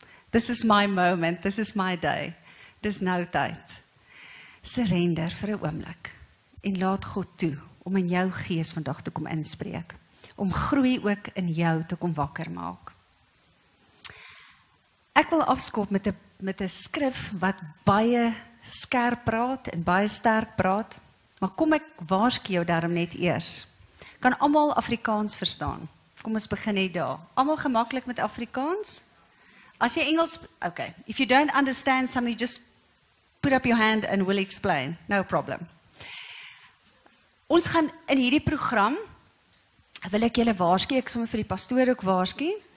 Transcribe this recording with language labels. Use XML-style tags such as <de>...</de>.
<en>This is my moment, this is my day.</en> <af>Dis nou tyd. Surrender vir 'n oomblik en laat God toe om in jou gees vandag te kom inspreek, om groei ook in jou te kom wakker maak. Ek wil afskop met 'n skrif wat baie skerp praat en baie sterk praat. Maar kom ek waarsku jou daarom net eers. Kan almal Afrikaans verstaan? Kom ons begin net daar. Almal gemaklik met Afrikaans? As jy Engels, okay.</af> <en>If you don't understand something, just put up your hand and we'll explain. No problem.</en> <af>Ons gaan in hierdie program wil ek julle waarsku, ek sommer vir die pastoor ook waarsku.</af>